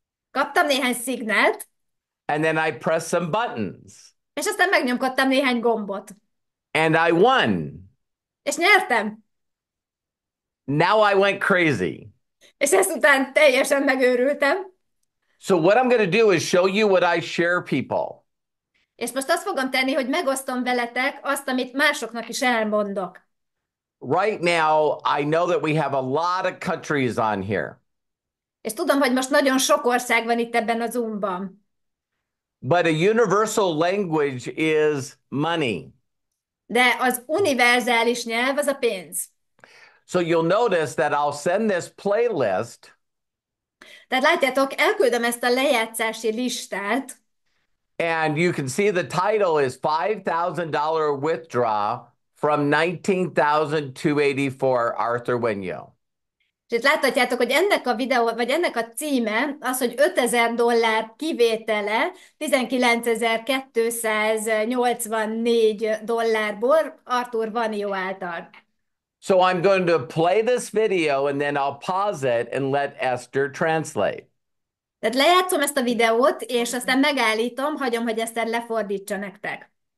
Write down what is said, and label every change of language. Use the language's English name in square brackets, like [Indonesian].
[Hungarian] Kaptam néhány szignált. [English] And then I pressed some buttons. [Hungarian] És aztán megnyomkodtam néhány gombot. [English] And I won. [Hungarian] És nyertem. [English] Now I went crazy. [Hungarian] És ezután teljesen megőrültem. [English] So what I'm going to do is show you what I share people. [Hungarian] És most azt fogom tenni, hogy megosztom veletek azt, amit másoknak is elmondok. [English] Right now, I know that we have a lot of countries on here. [Hungarian] És tudom, hogy most nagyon sok ország van itt ebben a Zoom-ban. [English] But a universal language is money. [Hungarian] De az univerzális nyelv az a pénz. [English] So you'll notice that I'll send this playlist. [Hungarian] Tehát látjátok, elküldöm ezt a lejátszási listát. [English] And you can see the title is $5,000 withdraw from 19,284 Arthur Wenyo. [Hungarian] És itt láthatjátok, hogy ennek a videó, vagy ennek a címe az, hogy 5000 dollár kivétele 19,284 dollárból Arthur Wenyo által. [English] So I'm going to play this video and then I'll pause it and let Esther translate. [Hungarian] Tehát lejátszom ezt a videót, és aztán megállítom, hagyom, hogy Eszter lefordítsa nektek.